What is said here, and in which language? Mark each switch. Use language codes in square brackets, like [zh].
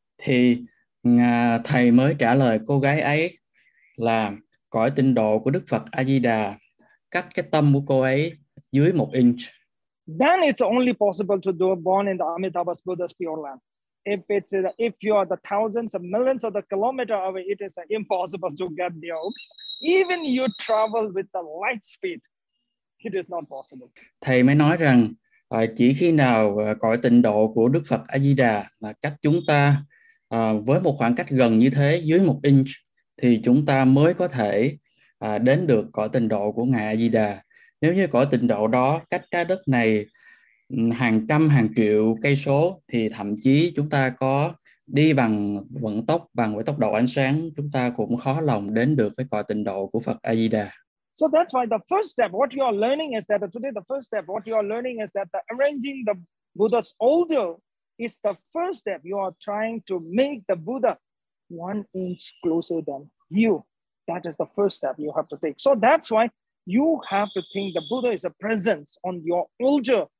[vi] Thì thầy mới trả lời cô gái ấy là cõi tịnh độ của Đức Phật A Di Đà cách cái tâm của cô ấy dưới 1 inch. [en] Then it's only possible to do born in the Amitabha Buddha's pure land. If you are the thousands of millions of the kilometer away, it is impossible to get there. Even you travel with the light speed, it is not possible. [vi] Thầy mới nói rằng chỉ khi nào cõi tịnh độ của Đức Phật A Di Đà mà cách chúng ta Với một khoảng cách gần như thế, dưới một inch, thì chúng ta mới có thể đến được cõi tịnh độ của Ngài A-di-đà. Nếu như cõi tịnh độ đó cách trái đất này hàng trăm, hàng triệu cây số, thì thậm chí chúng ta có đi bằng với tốc độ ánh sáng, chúng ta cũng khó lòng đến được với cõi tịnh độ của Phật A-di-đà. [en] So that's why the first step, what you are learning is that today the first step, what you are learning is that the arranging the Buddha's altar is the first step. You are trying to make the Buddha one inch closer than you. That is the first step you have to take. So that's why you have to think the Buddha is a presence on your altar.